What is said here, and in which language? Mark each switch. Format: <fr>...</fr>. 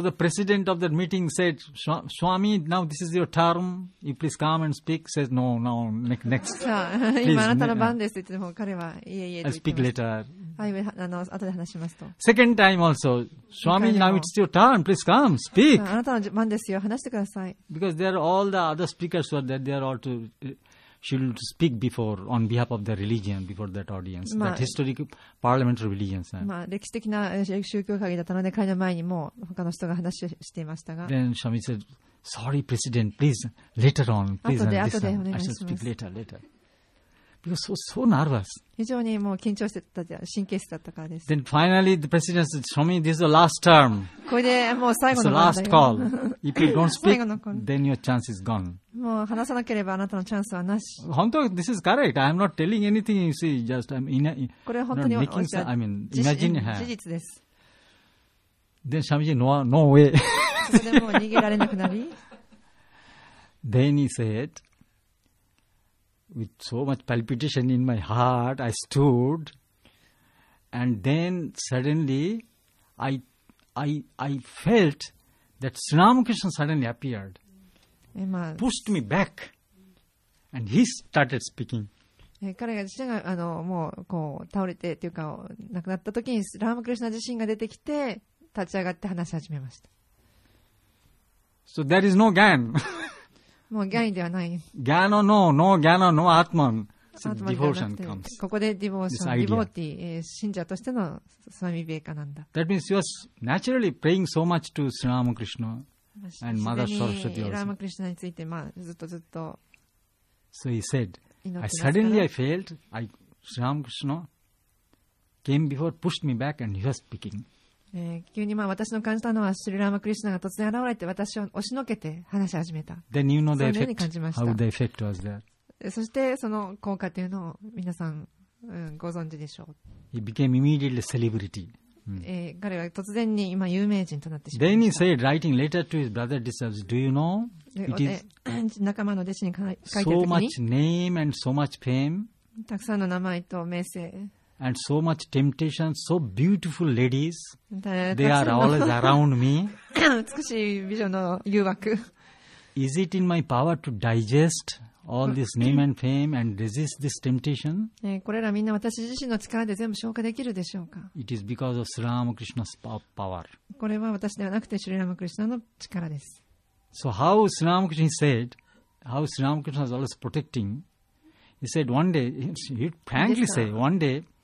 <en>So the president of that meeting said, Swami, now this is your term. You please come and speak. Says, no, no, next.</en> <ja>今あなたの番ですって言っても彼はいえいえ。</ja> <en>I speak later.</en> <ja>はい、後で話しますと。</ja> <en>Second time also, Swami, now it's your turn. Please come, speak.</en> <ja>あなたの番ですよ。話してください。</ja> <en>Because there are all the other speakers were there. They are all to should speak before on behalf of the religion before that audience,、まあ、that historic parliamentary religion.</en> <ja>まあ歴史的な宗教会議だったので彼の前にも他の人が話をしていましたが。</ja> <en>Then Swami said, "Sorry, President, please later on, please later. I should speak later." Because so nervous.</en> <ja>非常にもう緊張してた神経質だったからです。</ja> <en>Then finally the President said, "Swami, this is the last term."</en> <ja>これでもう最後の。</ja> <en>It's the last call. If you don't speak, then your chance is gone.</en> <ja>もう話さなければあなたのチャンスはなし。本当、</ja> <en>this is correct. I'm not telling anything. You see, just I'm in.</en> <ja>これは本当に</ja> <en>I mean, imagine,</en> <ja>事実です。</ja> <en>Then Swamiji, no, no way.</en> <ja>それでもう逃げられなくなり。</ja> <en>Then he said, with so much palpitation in my heart, I stood, and then suddenly, I felt that Sri Ramakrishna suddenly appeared. まあ、 pushed me back and he started speaking.</en> <ja>彼が自身があのもうこう倒れてというか亡くなった時にラーマクリシナ自身が出てきて立ち上がって話し始めました。</ja> <en>So there is no gyan.</en> <ja>もうギャンではない。</ja> <en>Gyan or no, no gyan or no atman. Devotion comes.</en> <ja>ここでディボーション、ディボーティ、信者としてのスワミビエカナンダ。</ja> <en>That means you are naturally praying so much to Sri Ramakrishna and Mother Saraswati.</en> <ja>ラーマクリシナについて、まあ、ずっとずっと。</ja> <en>So he said,I suddenly I felt I Sri Ramakrishna came before, pushed me back, and he was speaking.</en> <ja>急にまあ私の感じたのはシュリラーマクリシナが突然現れて私を押しのけて話し始めた。</ja> <en>Then you know the effect. How the effect was there?</en> <ja>そしてその効果というのを皆さん、ご存知でしょう。</ja> <en>He became immediately celebrity.</en> <ja>彼は突然に今有名人となってしまいました。</ja> <en>Then he said, writing letter to his brother disciples, do you know? It is</en> <ja>仲間の弟子に書いた時に</ja> <en>so much name and so much fame,</en> <ja>たくさんの名前と名声</ja> <en>and so much temptation, so beautiful ladies, they are always around me.</en> <ja>美しい美女の誘惑</ja> <en>Is it in my power to digest all this name and fame and resist this temptation?</en> <ja>これらみんな私自身の力で全部消化できるでしょうか。</ja> <en>It is because of Sri Ramakrishna's power.</en> <ja>これは私ではなくてシュリラマクリシナの力です。</ja> <en>So how Sri Ramakrishna said, how Sri Ramakrishna was always protecting, he said one day, he frankly said, one day,</en>